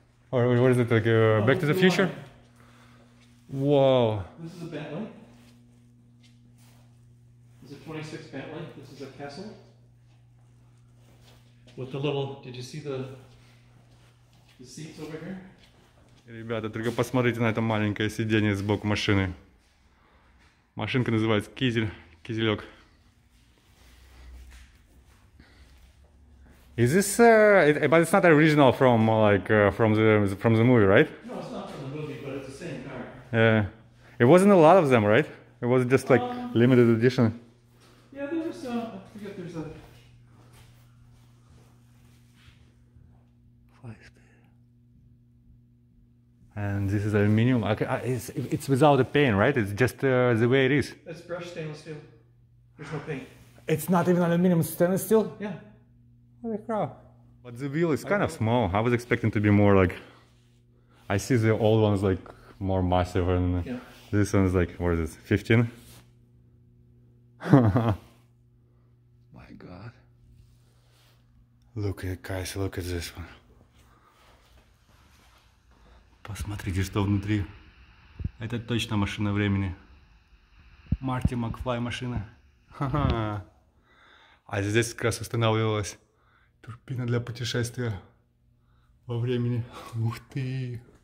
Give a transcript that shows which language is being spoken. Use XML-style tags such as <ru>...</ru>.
<en>Or what is it, like Back to the Future? Wow. This is a Bentley. It's a 26 Bentley. This is a Kessel. With the little, did you see the seats over here?</en> <ru>Ребята, только посмотрите на это маленькое сиденье сбоку машины. Машинка называется кизелек.</ru> <en>Is this but it's not original from like from the movie, right? No, it's not from the movie, but it's the same car. Yeah. It wasn't a lot of them, right? It was just like limited edition. Yeah, there's I forget. And this is aluminium. Okay, it's without a paint, right? It's just the way it is. It's brushed stainless steel. There's no paint. It's not even aluminium, it's stainless steel? Yeah. Holy crap. But the wheel is kind of small. I was expecting to be more like... I see the old one's like more massive and this one's like, what is this, 15? My God. Look at it, guys, look at this one.</en> <ru>Посмотрите, что внутри. Это точно машина времени. Марти Макфлай машина. А здесь как раз устанавливалась турбина для путешествия во времени. Ух ты!</ru>